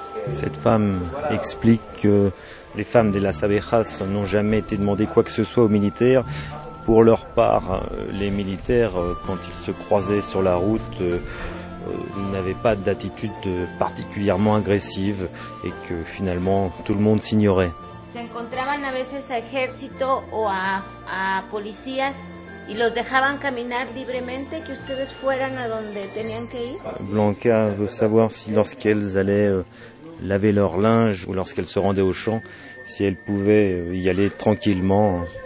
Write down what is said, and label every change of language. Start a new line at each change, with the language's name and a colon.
French: Cette femme explique que les femmes de las abejas n'ont jamais été demandées quoi que ce soit aux militaires. Pour leur part, les militaires, quand ils se croisaient sur la route, n'avaient pas d'attitude particulièrement agressive et que finalement tout le monde s'ignorait.
Spanish: Se encontraban a veces a ejército o a policías y los dejaban caminar libremente, que ustedes fueran a donde tenían que ir.
French: Blanca veut savoir si lorsqu'elles allaient laver leur linge ou lorsqu'elles se rendaient au champ, si elles pouvaient y aller tranquillement.